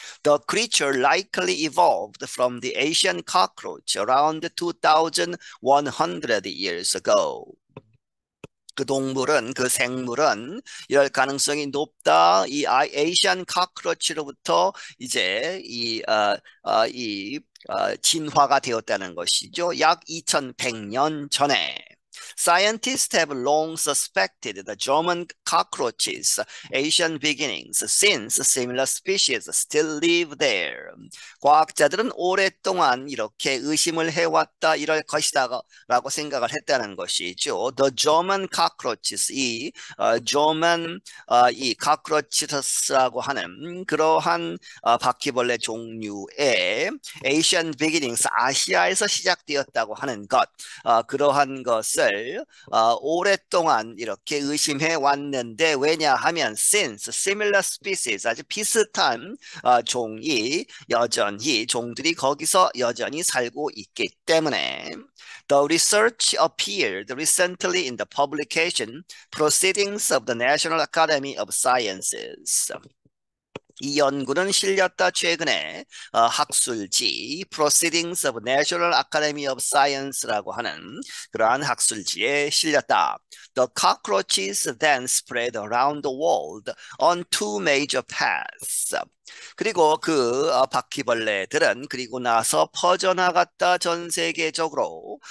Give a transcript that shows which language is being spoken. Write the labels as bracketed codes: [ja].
[en] The creature likely evolved from the Asian cockroach around 2100 years ago. [ko] 그 동물은, 그 생물은 이럴 가능성이 높다. 이 아시안 카크로치로부터 이제 이, 이 진화가 되었다는 것이죠. 약 2100년 전에. [en] Scientists have long suspected the German cockroaches' Asian beginnings since similar species still live there. [ko] 과학자들은 오랫동안 이렇게 의심을 해왔다, 이럴 것이다라고 생각을 했다는 것이죠. [en] The German cockroaches, [ko] 이 German 이 cockroaches라고 하는 그러한 바퀴벌레 종류의 [en] Asian beginnings, [ko] 아시아에서 시작되었다고 하는 것, 그러한 것을 오랫동안 이렇게 의심해 왔는데, 왜냐하면 [en] since similar species, [ko] 아주 비슷한 종이 여전히, 종들이 거기서 여전히 살고 있기 때문에. [en] The research appeared recently in the publication Proceedings of the National Academy of Sciences. [ko] 이 연구는 실렸다, 최근에 학술지 Proceedings of National Academy of Science라고 하는 그러한 학술지에 실렸다. [en] The cockroaches then spread around the world on two major paths. [ko] 그리고 그 바퀴벌레들은 그리고 나서 퍼져나갔다, 전 세계적으로.